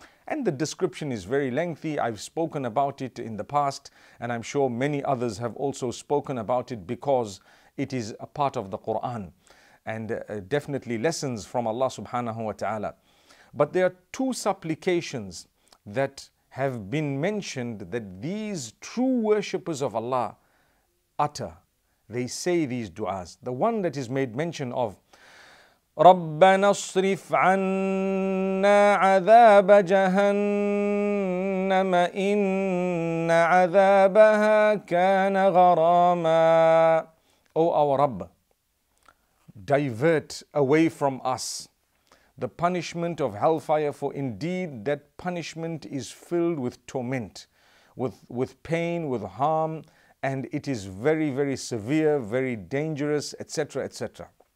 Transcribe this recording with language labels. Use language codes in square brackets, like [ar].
[en] And the description is very lengthy. I've spoken about it in the past, and I'm sure many others have also spoken about it because it is a part of the Quran and definitely lessons from Allah subhanahu wa ta'ala. But there are two supplications that have been mentioned that these true worshippers of Allah utter. They say these du'as. The one that is made mention of, [ar] رَبَّنَا اصْرِفْ عَنَّا عَذَابَ جَهَنَّمَ إِنَّ عَذَابَهَا كَانَ غَرَامًا. [en] Oh our Rabb, divert away from us the punishment of hellfire, for indeed that punishment is filled with torment, with pain, with harm, and it is very, very severe, very dangerous, etc., etc.